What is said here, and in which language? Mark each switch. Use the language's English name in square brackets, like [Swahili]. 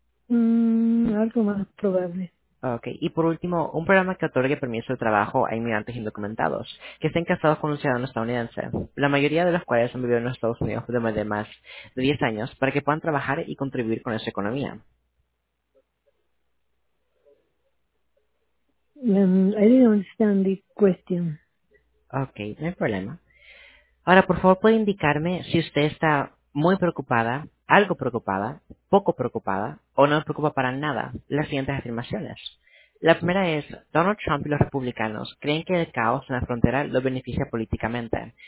[Spanish] Algo más probable. Ok, y por último, un programa que otorgue permiso de trabajo a inmigrantes indocumentados que estén casados con un ciudadano estadounidense, la mayoría de los cuales han vivido en los Estados Unidos de más de 10 años, para que puedan trabajar y contribuir con esa economía. [English] I don't understand the question. [Spanish] Okay, no hay problema. Ahora, por favor, ¿puede indicarme si usted está muy preocupada, algo preocupada, poco preocupada o no preocupa para nada las siguientes afirmaciones? La primera es, Donald Trump y los republicanos creen que el caos en la frontera los beneficia políticamente.